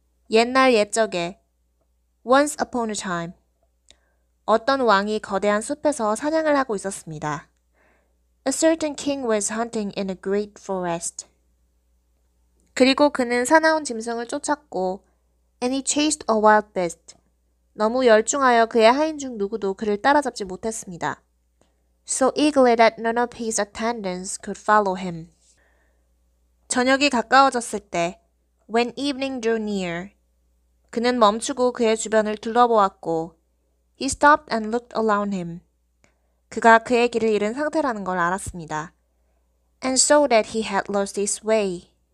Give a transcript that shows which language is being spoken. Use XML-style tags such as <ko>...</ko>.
<ko>옛날 옛적에</ko> <en>Once upon a time</en> <ko>어떤 왕이 거대한 숲에서 사냥을 하고 있었습니다.</ko> <en>A certain king was hunting in a great forest.</en> <ko>그리고 그는 사나운 짐승을 쫓았고</ko> <en>And he chased a wild beast.</en> <ko>너무 열중하여 그의 하인 중 누구도 그를 따라잡지 못했습니다.</ko> <en>So eagerly that none of his attendants could follow him.</en> <ko>저녁이 가까워졌을 때</ko> <en>When evening drew near</en> <ko>그는 멈추고 그의 주변을 둘러보았고</ko> <en>He stopped and looked around him.</en> <ko>그가 그의 길을 잃은 상태라는 걸 알았습니다.</ko> <en>And so that he had lost his way.</en>